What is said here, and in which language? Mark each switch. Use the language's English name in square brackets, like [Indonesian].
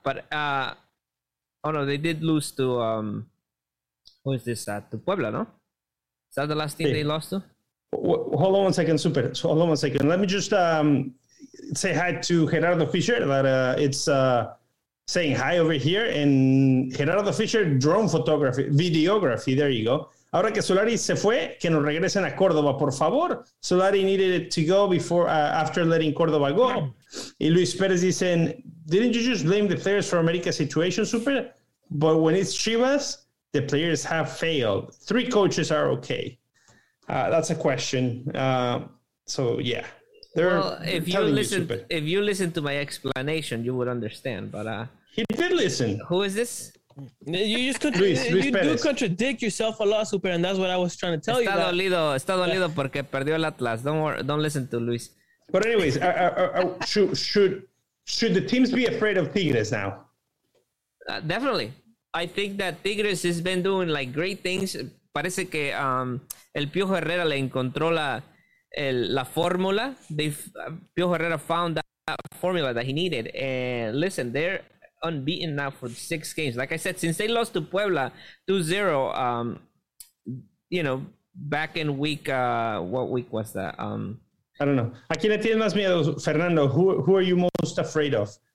[English] But they did lose to. Who is this at? To Puebla, no? Is that the last team they lost to? Hold on one second, Super. Hold on one second. Let me just say hi to Gerardo Fisher, that it's saying hi over here. And Gerardo Fisher, drone photography, videography, there you go. [Spanish] Ahora que Solari se fue, que nos regresen a Córdoba, por favor. [English] Solari needed it to go before after letting Córdoba go. [Spanish] Y Luis Pérez dice, [English] didn't you just blame the players for America's situation, Super? But when it's Chivas, the players have failed. Three coaches are okay. That's a question. So, yeah. If you listen to my explanation, you would understand. But he did listen. Who is this? You just contradict yourself a lot, Super, and that's what I was trying to tell you. [Spanish] Está dolido porque perdió el Atlas. [English] Don't listen to Luis. But anyways, should the teams be afraid of Tigres now? Definitely. I think that Tigres has been doing like great things. [Spanish] Parece que el Piojo Herrera le encontró la fórmula. [English] Piojo Herrera found that formula that he needed. And listen, they're unbeaten now for 6 games. Like I said, since they lost to Puebla 2-0, back in what week was that? I don't know. [Spanish] ¿A quién le tienes más miedo, [English] Fernando? Who are you most afraid of?